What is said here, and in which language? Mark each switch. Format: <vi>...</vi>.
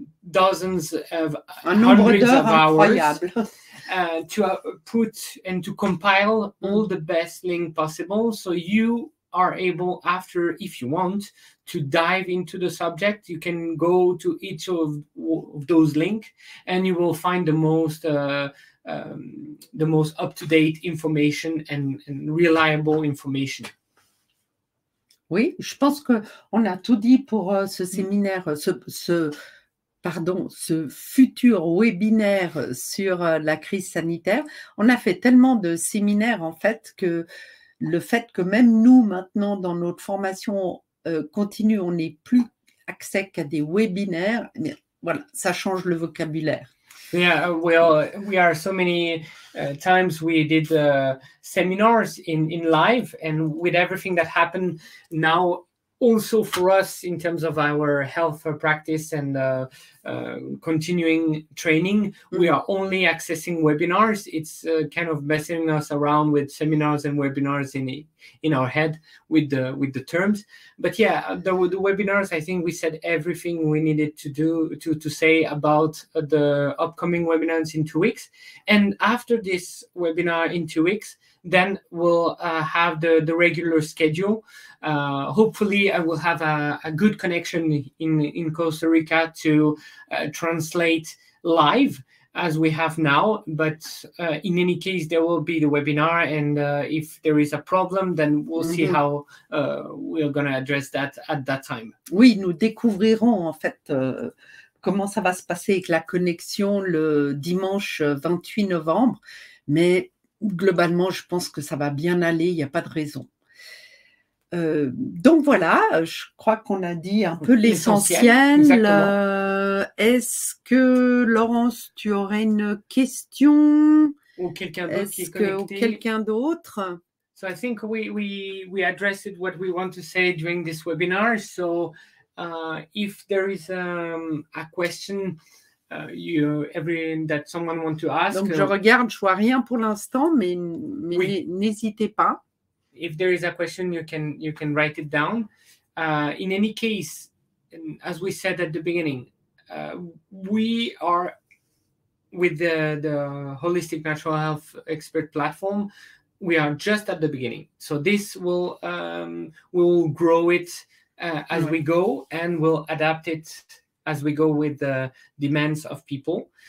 <en>dozens of hundreds of hours to compile all the best link possible, so you are able, after, if you want to dive into the subject, you can go to each of those link and you will find the most up-to-date information and reliable information.</en> <fr>Oui, je pense que on a tout dit pour ce séminaire, ce futur webinaire sur la crise sanitaire. On a fait tellement de séminaires en fait que le fait que même nous, maintenant, dans notre formation continue, on n'ait plus accès qu'à des webinaires, mais voilà, ça change le vocabulaire.</fr> <en>Yeah, well, we are so many times we did seminars in live, and with everything that happened now, also for us in terms of our health practice and continuing training, we are only accessing webinars. It's kind of messing us around with seminars and webinars in our head with the terms. But yeah, the webinars, I think we said everything we needed to do to say about the upcoming webinars in 2 weeks. And after this webinar in 2 weeks, then we'll have the regular schedule. Hopefully, I will have a good connection in Costa Rica to translate live. as we have now, but in any case, there will be the webinar, and if there is a problem, then we'll see how we're going to address that at that time.</en> <fr>Oui, nous découvrirons en fait comment ça va se passer avec la connexion le dimanche 28 novembre, mais globalement, je pense que ça va bien aller, il n'y a pas de raison. Donc voilà, je crois qu'on a dit un peu l'essentiel. Est-ce que, Laurence, tu aurais une question? Ou quelqu'un d'autre qui est connecté? Ou quelqu'un d'autre?</fr> <en>So I think we addressed what we want to say during this webinar. So if there is a question that someone wants to ask.</en> <fr>Donc je regarde, je vois rien pour l'instant, mais oui. N'hésitez pas.</fr> <en>If there is a question, you can write it down. In any case, as we said at the beginning, we are with the Holistic Natural Health Expert Platform. We are just at the beginning, so this will we'll grow it as we go, and we'll adapt it as we go with the demands of people.</en>